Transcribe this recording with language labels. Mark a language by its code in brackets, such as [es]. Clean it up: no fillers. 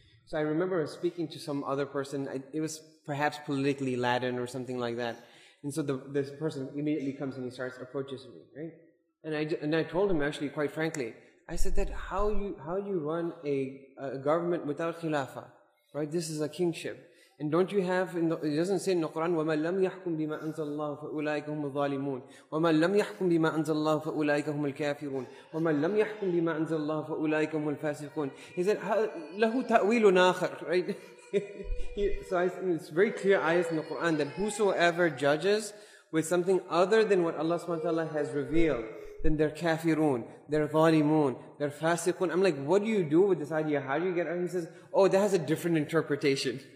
[en] So I remember speaking to some other person, it was perhaps politically laden or something like that. And so this person immediately comes and he starts approaches me, right? And I told him, actually, quite frankly, I said that how you run a government without khilafah, right? This is a kingship. And don't you have, it doesn't say in the Quran, [ar] وَمَا لَمْ يَحْكُمْ بِمَا أَنزَلَ اللَّهُ فَأُولَٰئِكَ هُمُ الظَّالِمُونَ وَمَا لَمْ يَحْكُمْ بِمَا أَنزَلَ اللَّهُ فَأُولَٰئِكَ هُمُ الْكَافِرُونَ وَمَا لَمْ يَحْكُمْ بِمَا أَنزَلَ اللَّهُ فَأُولَٰئِكَ هُمُ الْفَاسِقُونَ. [en] He said, [ar] لَهُ تَأْوِيلٌ آخر, [en] right? So it's very clear ayahs in the Quran that whosoever judges with something other than what Allah subhanahu wa ta'ala has revealed, then they're kafirun, they're zalimun, they're fasiqun. I'm like, what do you do with this idea? How do you get out? He says, oh, that has a different interpretation.